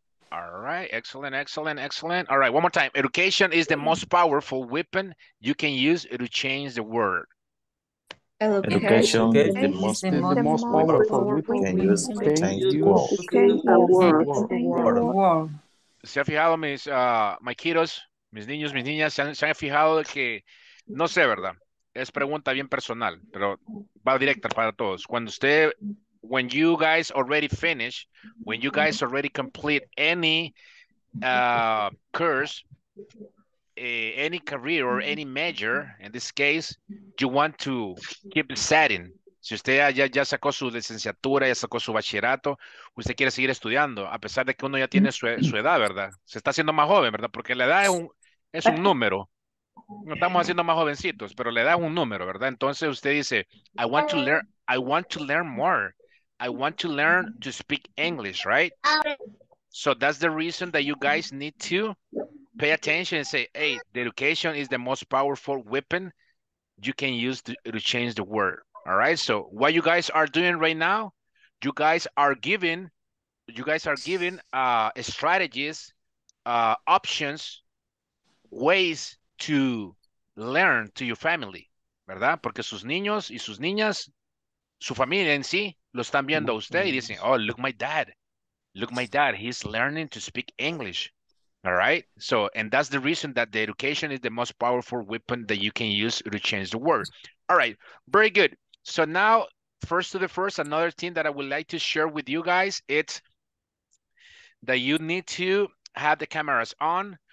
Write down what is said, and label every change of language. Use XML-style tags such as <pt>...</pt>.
<en>All right, excellent. All right, one more time. Education is the most powerful weapon you can use to change the world. Education is the most powerful weapon you can use to change the world.</en> <es>Se ha fijado, mis maquitos, mis niños, mis niñas, se han fijado que, no sé, ¿verdad? Es pregunta bien personal, pero va directa para todos. Cuando usted,</es> <en>when you guys already finish, when you guys already complete any course, any career or any major, in this case, you want to keep the setting.</en> <es>Si usted ya sacó su licenciatura, ya sacó su bachillerato, usted quiere seguir estudiando, a pesar de que uno ya tiene su edad, ¿verdad? Se está haciendo más joven, ¿verdad? Porque la edad es un número. No estamos haciendo más jovencitos, pero la edad es un número, ¿verdad? Entonces usted dice,</es> <en>I want to learn more. I want to learn to speak English, right? So that's the reason that you guys need to pay attention and say, hey, the education is the most powerful weapon you can use to change the world. All right, so what you guys are doing right now, you guys are giving strategies, options, ways to learn to your family, ¿verdad?</en> <es>Porque sus niños y sus niñas, su familia en sí, lo están viendo a usted y dicen,</es> <en>oh, look my dad, he's learning to speak English. All right, so, and that's the reason that the education is the most powerful weapon that you can use to change the world. All right, very good. So now, first to the first, another thing that I would like to share with you guys, it's that you need to have the cameras on.</en>